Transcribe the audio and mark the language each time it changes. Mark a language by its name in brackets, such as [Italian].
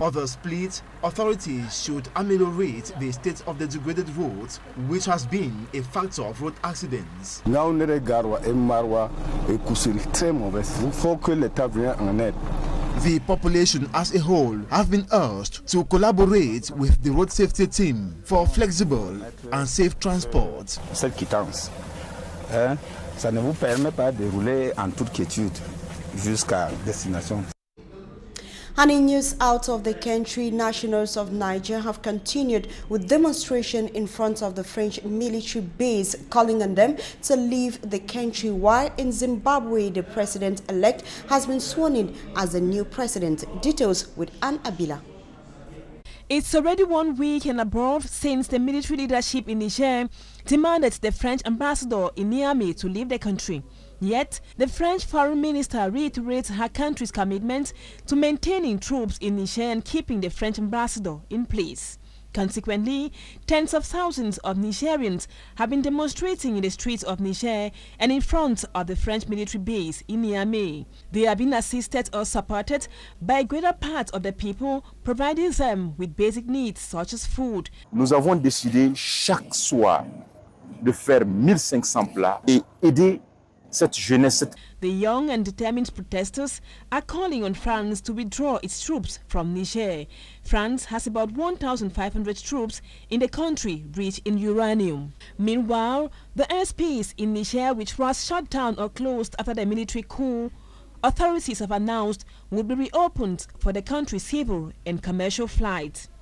[English] Others plead authorities should ameliorate the state of the degraded road, which has been a factor of road accidents. [French] Now, Nere Garwa et Marwa et Kusiri, très mauvais. Il faut que l'État vienne en aide. [English] The population as a whole have been urged to collaborate with the road safety team for flexible and safe transport. [French] Cette quittance, hein, ça ne vous permet pas de rouler en toute quiétude jusqu'à destination. [English] And in news out of the country, nationals of Niger have continued with demonstration in front of the French military base, calling on them to leave the country. While in Zimbabwe, the president-elect has been sworn in as the new president. Details with Anne Abila. It's already 1 week and above since the military leadership in Niger demanded the French ambassador in Niamey to leave the country. Yet, the French foreign minister reiterates her country's commitment to maintaining troops in Niger and keeping the French ambassador in place. Consequently, tens of thousands of Nigerians have been demonstrating in the streets of Niger and in front of the French military base in Niamey. They have been assisted or supported by a greater part of the people, providing them with basic needs such as food. [French] Nous avons décidé chaque soir de faire 1500 plats et aider cette jeunesse. [English] The young and determined protesters are calling on France to withdraw its troops from Niger. France has about 1,500 troops in the country rich in uranium. Meanwhile, the airspace in Niger, which was shut down or closed after the military coup, authorities have announced would be reopened for the country's civil and commercial flights.